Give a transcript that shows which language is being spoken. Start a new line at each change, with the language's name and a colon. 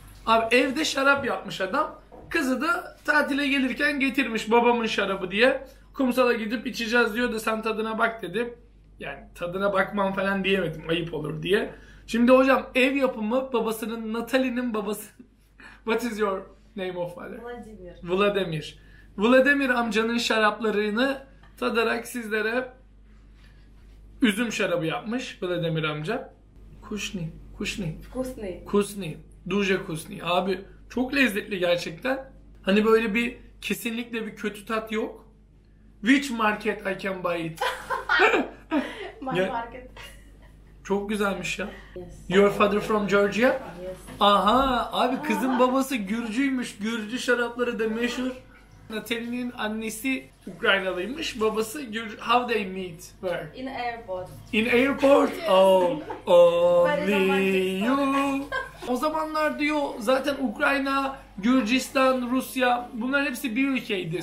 Turkish: Abi evde şarap yapmış adam. Kızı da tatile gelirken getirmiş babamın şarabı diye. Kumsala gidip içeceğiz diyor da sen tadına bak dedi. Yani tadına bakmam falan diyemedim ayıp olur diye. Şimdi hocam ev yapımı babasının, Natalie'nin babası.
English: What is your name of father? Vladimir.
Turkish: Vladimir amcanın şaraplarını tadarak sizlere üzüm şarabı yapmış Vladimir amca.
Russian: Kusni. Duje kusni.
Turkish: Abi çok lezzetli gerçekten. Hani böyle bir kesinlikle bir kötü tat yok.
English: Which market I can buy it? My market.
Turkish: Çok güzelmiş ya.
English: Your father from Georgia?
Turkish: Aha abi kızın babası Gürcüymüş. Gürcü şarapları da meşhur. Natalie'nin annesi Ukraynalıymış, babası Gürcü.
English: How they meet where? In airport. In airport? Oh, only you.
Turkish: O zamanlar diyor zaten Ukrayna, Gürcistan, Rusya bunların hepsi bir ülkeydi.